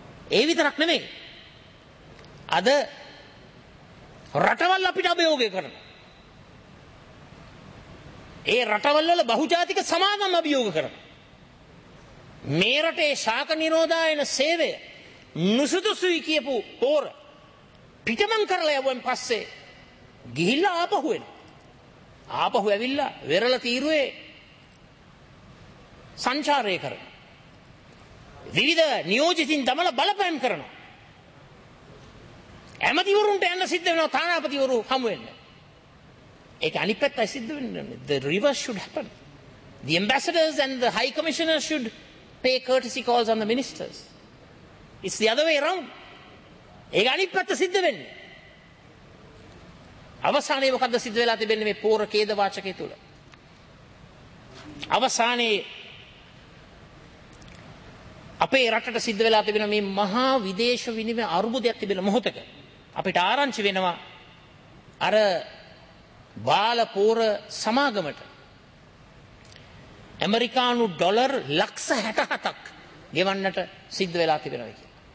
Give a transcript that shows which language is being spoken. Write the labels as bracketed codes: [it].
[si] ඒ විතරක් නෙමෙයි, අද රටවල් අපිට අභියෝග කරන, ඒ රටවල්වල බහුජාතික සමාගම් අභියෝග කරන, මේ රටේ ශාක නිරෝධායන සේවය නුසුදුසුයි කියපු පොර පිටමන් කරලා යවුවෙන් පස්සේ ගිහිල්ලා ආපහු එන, ආපහු ඇවිල්ලා වෙරළ තීරුවේ සංචාරය කරන, විවිධ නියෝජිතින් දමන බලපෑම් කරන, ඇමතිවරුන්ට යන්න සිද්ධ වෙනවා, තානාපතිවරු හමු වෙන්න. ඒක අනිත් පැත්තයි සිද්ධ වෙන්නේ. [en] The reverse should happen. The ambassadors and the high commissioner should pay courtesy calls on the ministers. It's the other way around. [si] ඒක අනිත් පැත්ත සිද්ධ වෙන්නේ. අවසානයේ මොකද්ද සිද්ධ වෙලා තිබෙන්නේ මේ පෝර ඛේද වාචකය තුල? අවසානයේ අපේ රටට සිද්ධ වෙලා තිබෙන මේ මහා විදේශ විනිමය අර්බුදයක් තිබෙන මොහොතක අපිට ආරංචි වෙනවා අර බාල පෝර සමාගමට ඇමරිකානු ඩොලර් ලක්ෂ 67ක් ගෙවන්නට සිද්ධ වෙලා තිබෙනවා කියලා.